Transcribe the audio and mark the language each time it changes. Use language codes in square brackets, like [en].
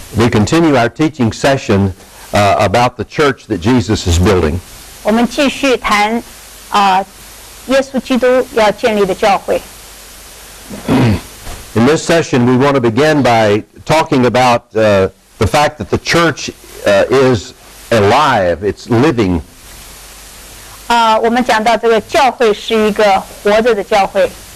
[en] continue our teaching session about the church that Jesus is building. [zh] 我们继续谈, 耶稣基督要建立的教会。 [en] In this session, we want to begin by talking about the fact that the church is alive, it's living. [zh] 我们讲到这个教会是一个活着的教会。